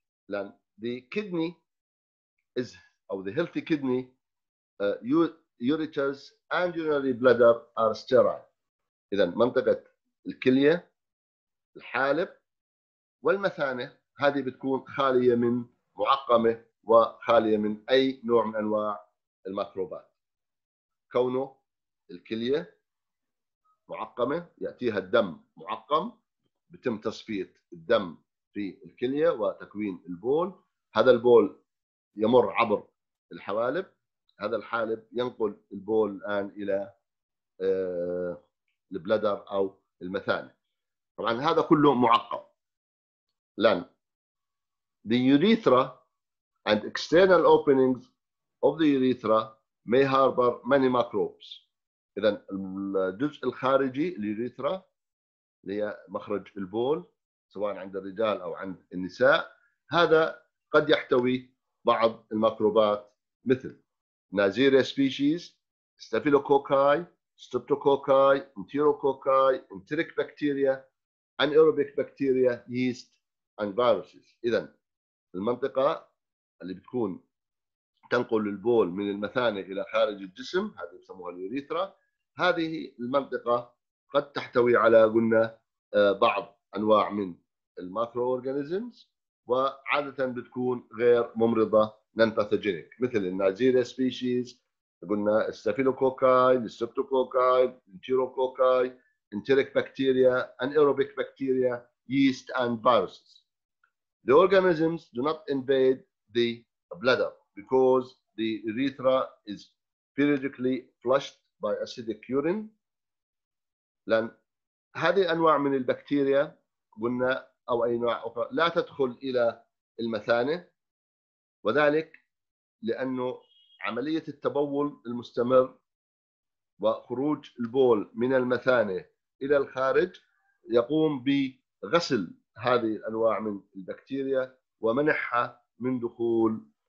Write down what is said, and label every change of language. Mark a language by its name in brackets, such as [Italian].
[Arabic] لأن [English] the kidney is [Arabic] أو [English] the healthy kidney ureters and urinary bladder are sterile. [Arabic] إذن منطقة الكلية، الحالب والمثانة هذه بتكون خالية من معقمة وخالية من أي نوع من أنواع الميكروبات. كونه الكلية معقمة يأتيها الدم معقم، بتم تصفية الدم في الكلية وتكوين البول، هذا البول يمر عبر الحوالب، هذا الحالب ينقل البول الآن إلى البلدر أو المثانة. طبعاً هذا كله معقد. الآن [English] the urethra and external openings of the urethra may harbor many microbes. [Arabic] إذا الجزء الخارجي للوريثرا اللي هي مخرج البول سواء عند الرجال أو عند النساء، هذا قد يحتوي بعض الميكروبات مثل نازيريا سبيشيز، ستافيلوكوكاي، ستريبتوكوكاي، انتيروكوكاي، انتريك بكتيريا، انيروبيك بكتيريا، ييست اند فيروسز. إذا المنطقة اللي بتكون تنقل البول من المثانة إلى خارج الجسم هذه يسموها اليوريثرا، هذه المنطقة قد تحتوي على قلنا بعض أنواع من الميكرو أورجانيزمز، وعادة بتكون غير ممرضة نانباثوجينيك مثل النازيريا سبيشيز، قلنا السافيلوكوكاي، الستريبتوكوكاي، الانتيروكوكاي، انتيريك بكتيريا، انيروبيك بكتيريا، ييست اند فيروسز. [English] The organisms do not invade the bladder because the urethra is periodically flushed by acidic urine. [Arabic] لأن هذه أنواع من البكتيريا قلنا أو أي نوع أخرى لا تدخل إلى المثانة، وذلك لأن عملية التبول المستمر وخروج البول من المثانة إلى الخارج يقوم بغسل هذه الأنواع من البكتيريا ومنحها من دخول.